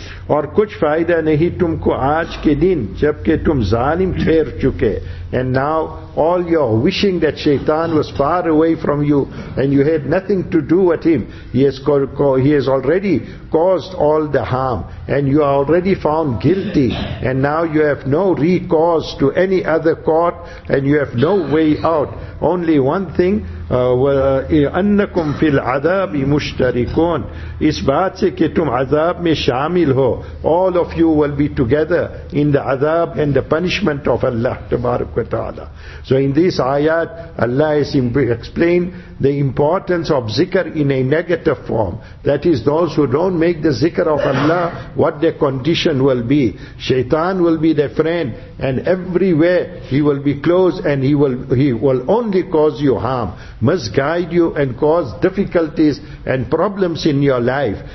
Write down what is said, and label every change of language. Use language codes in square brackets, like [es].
[ur] اور کچھ فائدہ نہیں تم کو آج کے دن جبکہ تم ظالم ٹھہر چکے. [en] And now all your wishing that shaitan was far away from you and you had nothing to do with him, he has already caused all the harm and you are already found guilty, and now you have no recourse to any other court and you have no way out. Only one thing, [ar] أَنَّكُمْ فِي الْعَذَابِ مُشْتَرِكُونَ. [ur] اس بات سے کہ تم عذاب میں شامل ہو, [en] all of you will be together in the عذاب and the punishment of Allah تبارک و تعالی. So in this ayat, Allah has explained the importance of zikr in a negative form. That is, those who don't make the zikr of Allah, what their condition will be. Shaitan will be their friend, and everywhere he will be close, and he will only cause you harm, misguide you and cause difficulties and problems in your life.